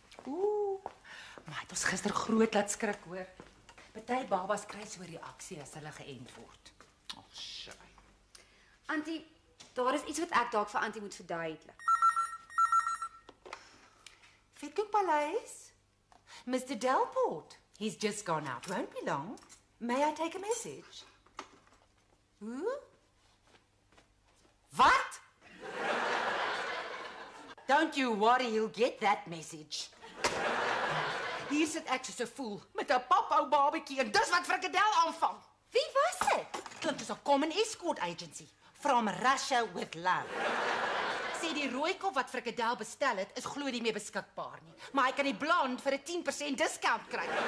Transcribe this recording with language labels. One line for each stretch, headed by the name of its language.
Afrikaans: Oeh, maar het ons gister groot laat skrik hoor. Party babas kry so 'n reaksie as hulle geënt word. Ag, sy. Antjie, daar is iets wat ek dalk vir Antjie moet verduidelik. Vetkoek paleis? Mr.
English: Delport, he's just gone out. Won't be long. May I take a message? Who?
Afrikaans: Wat?
English: Don't you worry, he'll get that message.
Afrikaans: Hier sit ek soos 'n fool met 'n papou babetjie en dis wat Frikadel aanvang. Wie was dit? Klink soos 'n
English: common escort agency from Russia with love.
Afrikaans: Sê die rooi kop wat Frikadel bestel het, is glo nie meer beskikbaar nie, maar hy kan die blond vir 'n 10% discount kry.